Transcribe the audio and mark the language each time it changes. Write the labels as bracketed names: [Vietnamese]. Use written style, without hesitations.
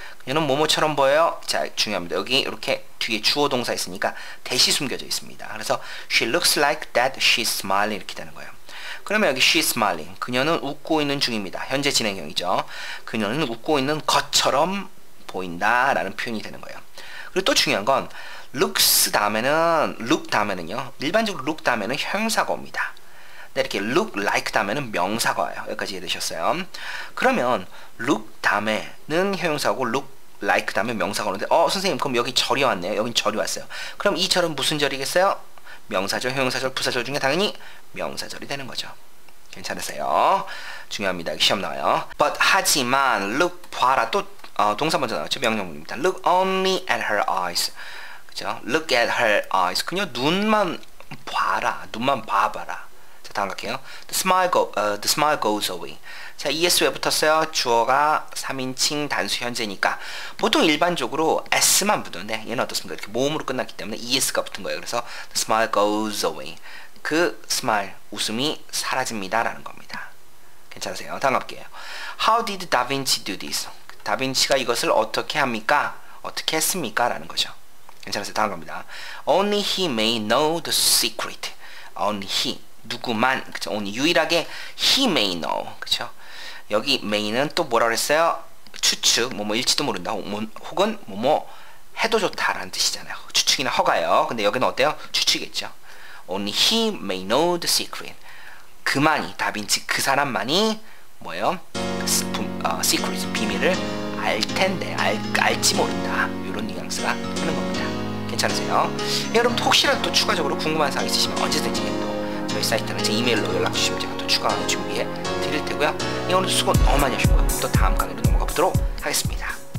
[Korean] 그녀는 뭐뭐처럼 보여요? 자, 중요합니다. 여기 이렇게 뒤에 주어 동사 있으니까 대시 숨겨져 있습니다. [English] 그래서 She looks like that she's smiling [Korean] 이렇게 되는 거예요. 그러면 여기 she's smiling. 그녀는 웃고 있는 중입니다. 현재 진행형이죠. 그녀는 웃고 있는 것처럼 보인다 라는 표현이 되는 거예요. 그리고 또 중요한 건 looks 다음에는, look 다음에는요. 일반적으로 look 다음에는 형용사가 옵니다. 네, 이렇게 look like 다음에는 명사가 와요. 여기까지 이해되셨어요? 그러면 look 다음에는 형용사고 look like 다음에 명사가 오는데 선생님 그럼 여기 절이 왔네요. 여긴 절이 왔어요. 그럼 이 절은 무슨 절이겠어요? 명사절, 형용사절, 부사절 중에 당연히 명사절이 되는 거죠. 괜찮으세요? 중요합니다. 여기 시험 나와요. But 하지만 look 봐라. 또 동사 먼저 나왔죠. 명령문입니다. [English] Look only at her eyes. [Korean] 그죠? [English] Look at her eyes. [Korean] 그녀 눈만 봐라. 눈만 봐봐라. 다음 갈게요. [English] The smile goes away. [Korean] 자, es 왜 붙었어요? 주어가 3인칭 단수 현재니까 보통 일반적으로 s만 붙는데 얘는 어떻습니까? 이렇게 모음으로 끝났기 때문에 es가 붙은 거예요. [English] 그래서 the smile goes away. [Korean] 그 smile, 웃음이 사라집니다. 라는 겁니다. 괜찮으세요? 다음 갈게요. [English] How did Da Vinci do this? [Korean] 다빈치가 이것을 어떻게 합니까? 어떻게 했습니까? 라는 거죠. 괜찮으세요? 다음 갑니다. [English] Only he may know the secret. [Korean] Only he. 누구만, 그쵸? 오늘 유일하게 he may know, 그쵸? 여기 may는 또 뭐라 그랬어요? 추측, 뭐뭐 일지도 모른다, 혹은 뭐뭐 해도 좋다라는 뜻이잖아요. 추측이나 허가요. 근데 여기는 어때요? 추측이겠죠. [English] Only he may know the secret. [Korean] 그만이, 다빈치 그 사람만이 뭐예요? secret, 비밀을 알 텐데, 알지 모른다. 이런 뉘앙스가 되는 겁니다. 괜찮으세요? 예, 여러분 혹시라도 또 추가적으로 궁금한 사항 있으시면 언제든지 저희 사이트나 제 이메일로 연락주시면 제가 또 추가로 준비해 드릴 테고요. 오늘도 수고 너무 많이 하셨고요. 또 다음 강의로 넘어가 보도록 하겠습니다.